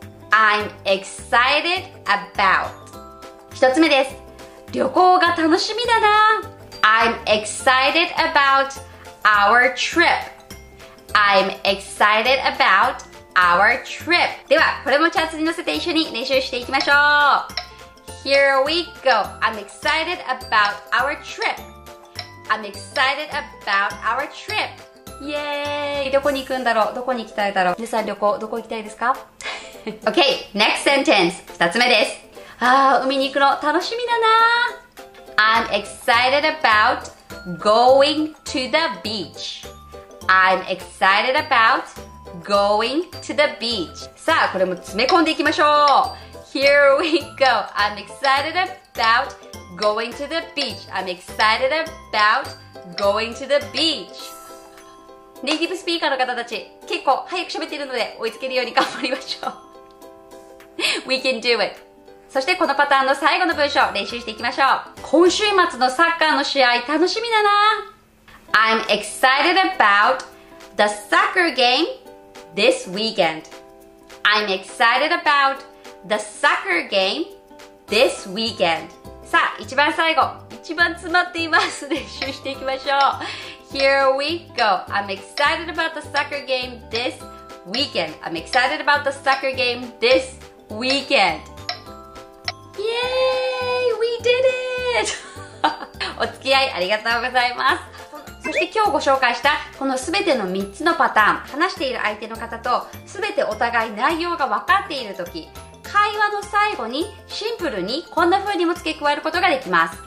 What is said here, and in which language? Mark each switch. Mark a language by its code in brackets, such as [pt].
[en] I'm excited about [ja] 1つ目です。旅行が楽しみだな。 [en] I'm excited about our trip. I'm excited about our trip. [ja] ではこれもチャートに乗せて一緒に練習していきましょう。 [en] Here we go. I'm excited about our tripI'm excited about our trip. Yay! [ja] どこに行くんだろう？どこに行きたいだろう？皆さん旅行どこ行きたいですか？ [en] Okay, next sentence. [ja] 二つ目です。ああ、海に行くの楽しみだな。 [en] I'm excited about going to the beach. I'm excited about going to the beach. [ja] さあ、これも詰め込んでいきましょう。 [en] Here we go. I'm excited aboutGoing to the beach. I'm excited about going to the beach. [ja] ネイティブスピーカーの方たち、結構早く喋っているので追いつけるように頑張りましょう。 [en] We can do it. [ja] そしてこのパターンの最後の文章、練習していきましょう。今週末のサッカーの試合、楽しみだな。 [en] I'm excited about the soccer game this weekend. I'm excited about the soccer game this weekend. [ja] さあ、一番最後、一番詰まっています。練習していきましょう。 [en] Here we go. I'm excited about the soccer game this weekend. I'm excited about the soccer game this weekend. Yay! We did it! [ja] お付き合いありがとうございます。そして今日ご紹介したこのすべての3つのパターン、話している相手の方とすべてお互い内容が分かっているとき、会話の最後にシンプルにこんな風にも付け加えることができます。